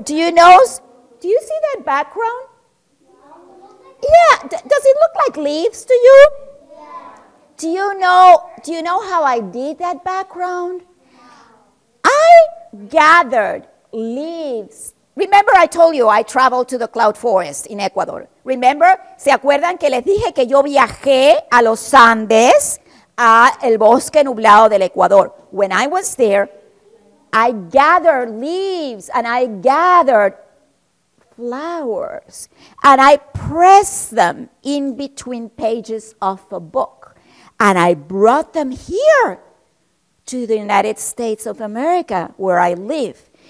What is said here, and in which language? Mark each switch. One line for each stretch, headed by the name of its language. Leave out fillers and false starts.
English: Do you see that background? Yeah. Does it look like leaves to you? Yeah. Do you know how I did that background? I gathered leaves. Remember I told you I traveled to the cloud forest in Ecuador. Remember?
Spanish: ¿Se acuerdan que les dije que yo viajé a los Andes? A el bosque nublado del Ecuador.
English: When I was there, I gathered leaves and I gathered flowers and I pressed them in between pages of a book and I brought them here to the United States of America where I live.